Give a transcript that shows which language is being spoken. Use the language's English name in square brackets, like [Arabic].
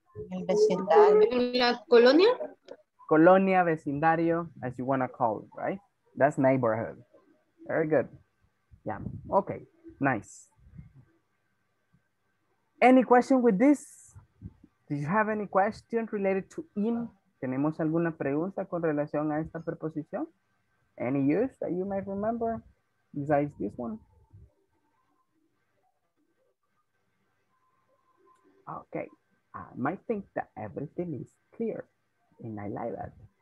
[Spanish] El vecindario. La colonia. [English] Colonia, vecindario, as you want to call it, right? That's neighborhood. Very good. Yeah. Okay. Nice. Any question with this? Do you have any question related to in? [Spanish] ¿Tenemos alguna pregunta con relación a esta preposición? [English] Any use that you might remember besides this one? Okay. I might think that everything is clear and I like that.